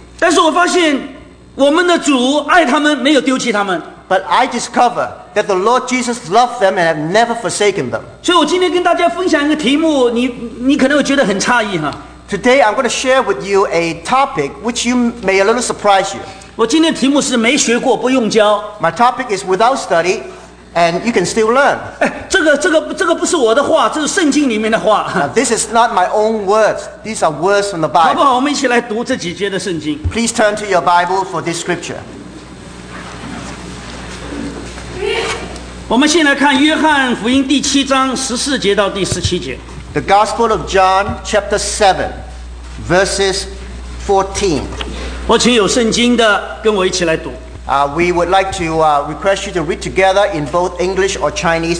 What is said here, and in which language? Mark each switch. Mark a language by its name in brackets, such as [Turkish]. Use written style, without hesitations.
[Chinese] 但是我发现我们的主爱他们，没有丢弃他们。 [English] But I discover that the Lord Jesus loved them and have never forsaken them. [Chinese] 所以我今天跟大家分享一个题目，你可能会觉得很诧异哈。 [English] Today I'm going to share with you a topic which you may a little surprise you. [Chinese] 我今天的题目是没学过不用教。 [English] My topic is without study, and you can still learn. [Chinese] 哎，这个不是我的话，这是圣经里面的话。 [English] This is not my own words. These are words from the Bible. [Chinese] 好不好？我们一起来读这几节的圣经。 [English] Please turn to your Bible for this scripture. [Chinese] 我们先来看约翰福音第七章十四节到第十七节。 [English] The Gospel of John, chapter 7, verses 14. [Chinese] 我请有圣经的跟我一起来读。 [English] We would like to request you to read together in both English or Chinese.